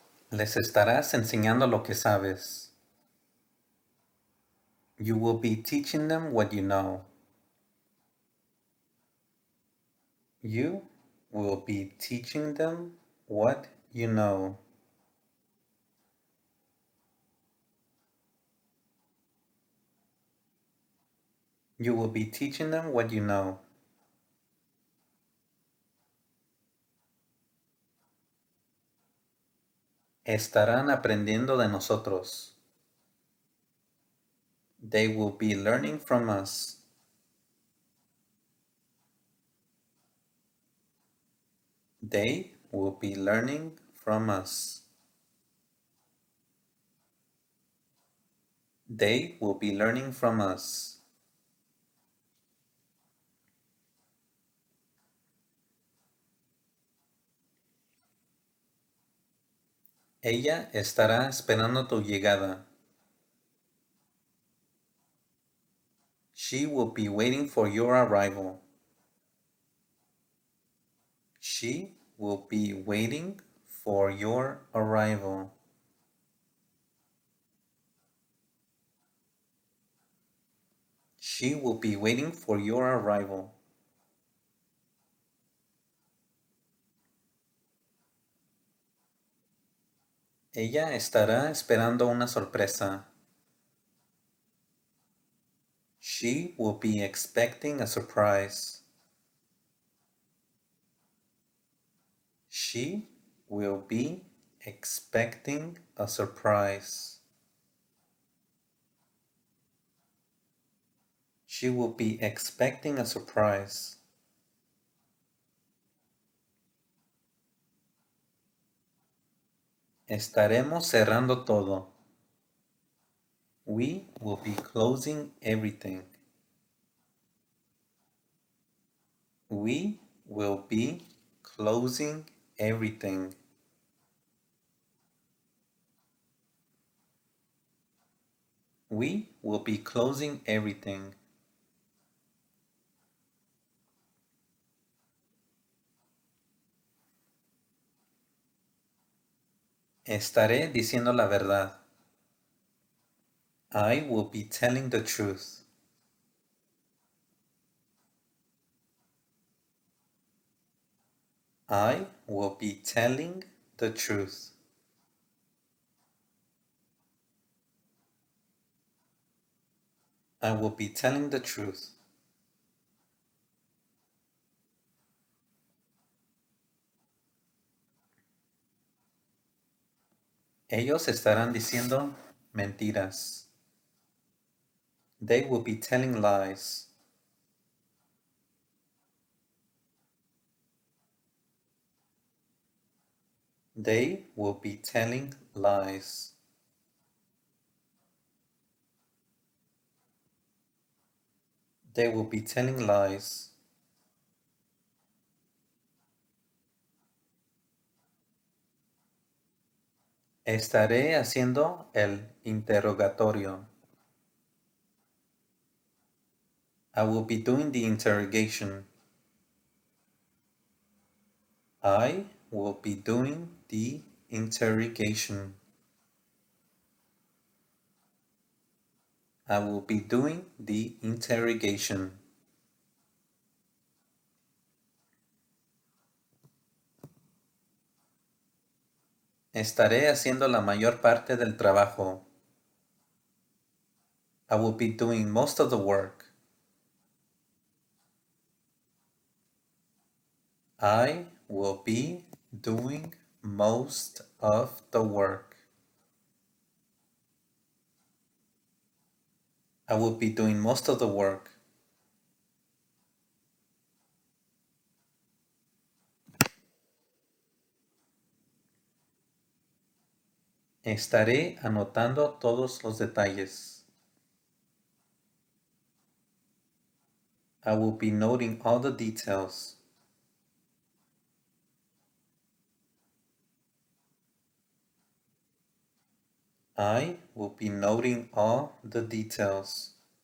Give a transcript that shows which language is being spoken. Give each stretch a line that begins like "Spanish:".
Spanish: Les estarás enseñando lo que sabes.
English: You will be teaching them what you know. You will be teaching them what you know. You will be teaching them what you know.
Spanish: Estarán aprendiendo de nosotros.
English: They will be learning from us. They will be learning from us. They will be learning from us.
Spanish: Ella estará esperando tu llegada.
English: She will be waiting for your arrival. She will be waiting for your arrival. She will be waiting for your arrival.
Spanish: Ella estará esperando una sorpresa.
English: She will be expecting a surprise. She will be expecting a surprise. She will be expecting a surprise.
Spanish: Estaremos cerrando todo.
English: We will be closing everything. We will be closing everything. We will be closing everything.
Spanish: Estaré diciendo la verdad.
English: I will be telling the truth. I will be telling the truth. I will be telling the truth.
Spanish: Ellos estarán diciendo mentiras.
English: They will be telling lies. They will be telling lies. They will be telling lies.
Spanish: Estaré haciendo el interrogatorio.
English: I will be doing the interrogation. I will be doing the interrogation. I will be doing the interrogation.
Spanish: Estaré haciendo la mayor parte del trabajo.
English: I will be doing most of the work. I will be doing most of the work. I will be doing most of the work.
Spanish: Estaré anotando todos los detalles.
English: I will be noting all the details. I will be noting all the details.